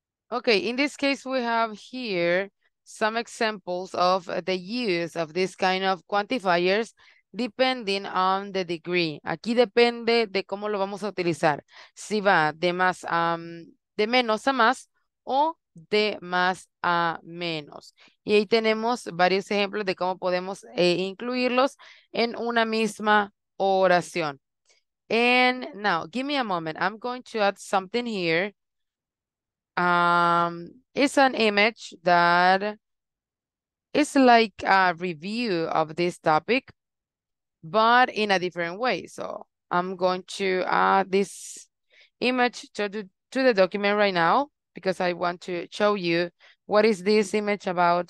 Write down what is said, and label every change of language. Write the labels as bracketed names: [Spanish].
[English] Okay, in this case, we have here some examples of the use of this kind of quantifiers depending on the degree. [Spanish] Aquí depende de cómo lo vamos a utilizar. Si va de más a, de menos a más o de más a menos. Y ahí tenemos varios ejemplos de cómo podemos incluirlos en una misma oración. [English] And now, give me a moment. I'm going to add something here. It's an image that is like a review of this topic, but in a different way. So I'm going to add this image to the document right now because I want to show you what is this image about.